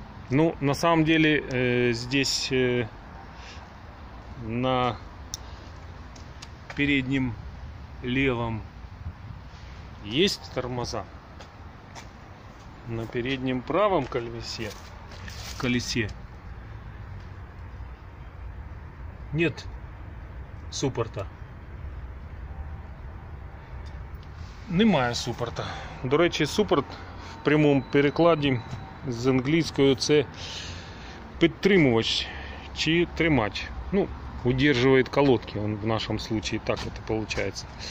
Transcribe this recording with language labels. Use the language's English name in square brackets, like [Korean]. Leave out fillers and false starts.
[Russian] Ну, на самом деле, здесь на переднем левом есть тормоза, на переднем правом колесе нет суппорта. [Ukrainian] Немає суппорта. До речі, суппорт в прямому перекладі з англійською це підтримувач чи тримач. [Russian] Ну, удерживает колодки, он в нашем случае так это получается.